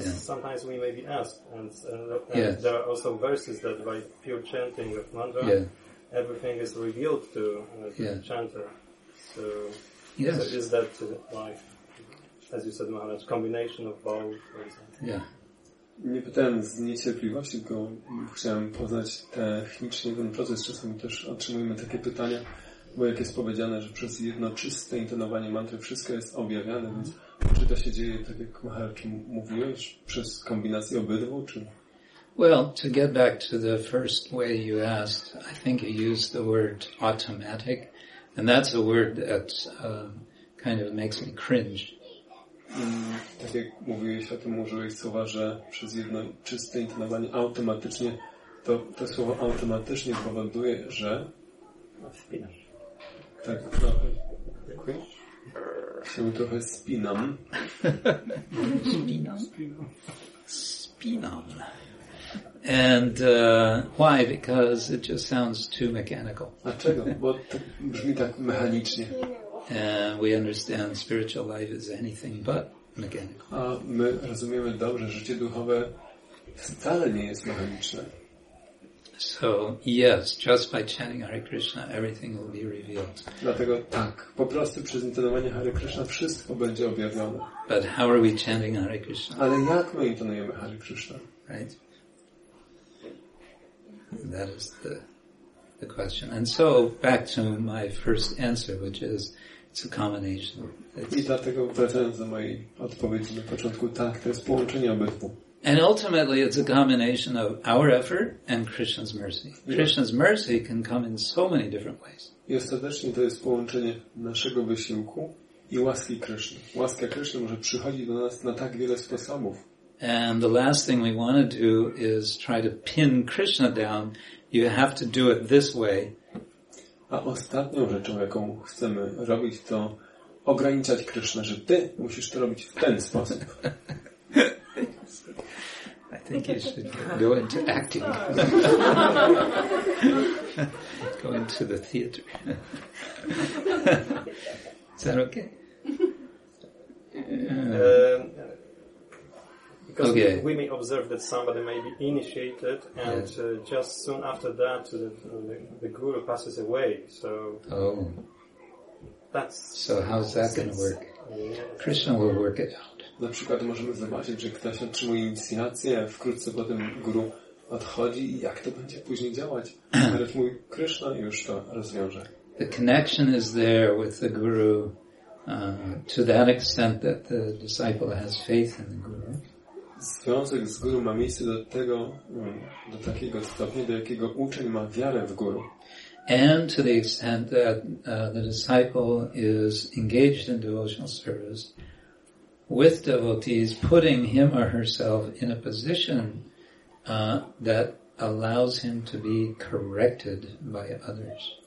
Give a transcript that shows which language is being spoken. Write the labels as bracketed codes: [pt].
[en] Sometimes we may be asked, and there are also verses that by pure chanting of mantra, everything is revealed to the chanter. So, so is that like, as you said, Maharaj, combination of both, for example? Yeah. [pl] Nie pytałem z niecierpliwości, tylko chciałem poznać technicznie ten proces. Czasami też otrzymujemy takie pytania, bo jak jest powiedziane, że przez jedno czyste intonowanie mantry wszystko jest objawiane, więc czy to się dzieje, tak jak Maharaj mówiłeś, przez kombinację obydwu, czy... [en] Well, to get back to the first way you asked, I think you used the word automatic, and that's a word that kind of makes me cringe. [pl] Tak jak mówiłeś o tym, użyłeś słowa, że przez jedno czyste intonowanie automatycznie, to to słowo automatycznie powoduje, że... Spinasz. Tak, trochę. Dziękuję. Się trochę spinam. Spinam? Spinam. [en] And why? Because it just sounds too mechanical. [pl] Dlaczego? Bo to brzmi tak mechanicznie. [en] We understand spiritual life is anything but mechanical. [pl] A my rozumiemy dobrze, życie duchowe wcale nie jest mechaniczne. [en] So yes, just by chanting Hare Krishna, everything will be revealed. [pl] Dlatego tak, po prostu przez intonowanie Hare Krishna wszystko będzie objawione. [en] But how are we chanting Hare Krishna? [pl] Ale jak my intonujemy Hare Krishna? [en] Right. That is the question. And so back to my first answer, which is it's a combination. [pl] I dlatego wracając do mojej odpowiedzi na początku, tak, to jest połączenie obydwu. [en] And ultimately it's a combination of our effort and Krishna's mercy. Krishna's mercy can come in so many different ways. [pl] I ostatecznie to jest połączenie naszego wysiłku i łaski Krishna. Łaska Krishna może przychodzić do nas na tak wiele sposobów. [en] And the last thing we want to do is try to pin Krishna down. You have to do it this way. [pl] A ostatnią rzeczą, jaką chcemy robić, to ograniczać Krishna, że ty musisz to robić w ten sposób. [en] I think you should go into acting. Go into the theater. Is that okay? Because we may observe that somebody may be initiated, and just soon after that, the guru passes away. So, that's so. How's that going to work? Yeah. Krishna will work it out. [pl] Na przykład możemy zobaczyć, że ktoś otrzymuje inicjację, a wkrótce potem guru odchodzi. Jak to będzie później działać? Ale mój Krishna już to rozwiąże. [en] The connection is there with the guru to that extent that the disciple has faith in the guru. [pl] Związek z guru ma miejsce do tego, do takiego stopnia, do jakiego uczeń ma wiarę w guru. [en] And to the extent that the disciple is engaged in devotional service with devotees, putting him or herself in a position that allows him to be corrected by others.